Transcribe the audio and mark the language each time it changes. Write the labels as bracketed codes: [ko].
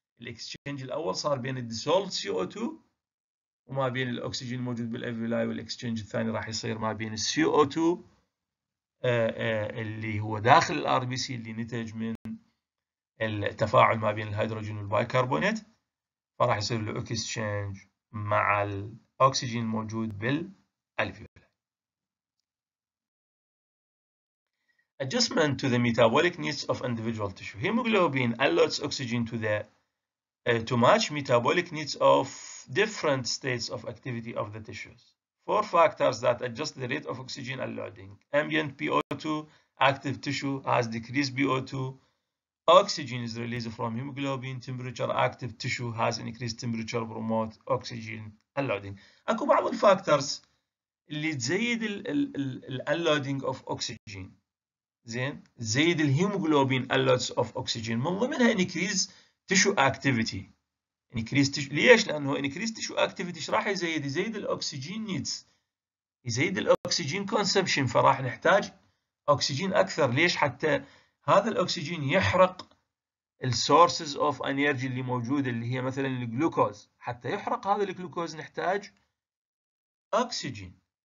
[ar] الاكسشينج الأول صار بين dissolved CO2 وما بين الاكسجين الموجود بالالفيولاي، والاكسشينج الثاني راح يصير ما بين CO2 اللي هو داخل الار بي سي اللي نتج من التفاعل ما بين الهيدروجين والبايكربونات، فراح يصير له اكسشينج مع الاكسجين الموجود بالالفيولاي. [en] Adjustment to the metabolic needs of individual tissue. Hemoglobin allots oxygen to the to match metabolic needs of different states of activity of the tissues. Four factors that adjust the rate of oxygen unloading: ambient PO2, active tissue has decreased PO2, oxygen is released from hemoglobin, temperature, active tissue has increased temperature promote oxygen unloading. [ar] اكو بعض الفاكتورز اللي تزيد ال unloading of oxygen. زين، زيد الهيموجلوبين [en] unloads of oxygen، [ar] من ضمنها increase tissue activity. ليش؟ لانه [en] increase tissue activity [ar] ايش راح يزيد؟ يزيد الاكسجين نيدز، يزيد الاكسجين كونسبشن، فراح نحتاج اكسجين اكثر. ليش؟ حتى هذا الاكسجين يحرق السورسز اوف انرجي اللي موجوده اللي هي مثلا الجلوكوز، حتى يحرق هذا الجلوكوز نحتاج اكسجين.